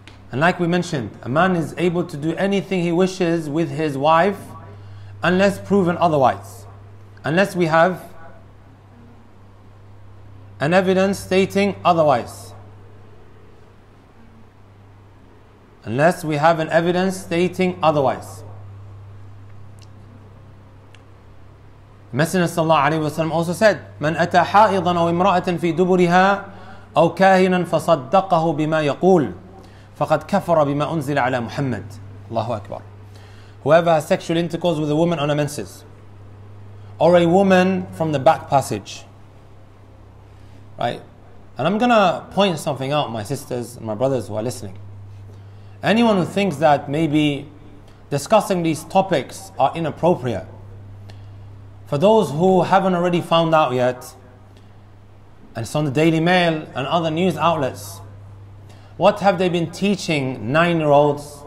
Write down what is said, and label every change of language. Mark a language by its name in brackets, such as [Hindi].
[English] And like we mentioned, a man is able to do anything he wishes with his wife unless proven otherwise. Unless we have an evidence stating otherwise. Unless we have an evidence stating otherwise. The Messenger of Allah also said, [Arabic] مَنْ أَتَى حَائِضًا أَوْ إِمْرَأَةً فِي دُبُرِهَا أَوْ كَاهِنًا فَصَدَّقَهُ بِمَا يَقُولُ فَقَدْ كَفَرَ بِمَا أُنزِلَ عَلَى مُحَمَّدٍ. Allahu Akbar. [English] Whoever has sexual intercourse with a woman on a menses, or a woman from the back passage. Right? And I'm going to point something out, my sisters and my brothers who are listening. Anyone who thinks that maybe discussing these topics are inappropriate, for those who haven't already found out yet, and it's on the Daily Mail and other news outlets, what have they been teaching 9-year-olds?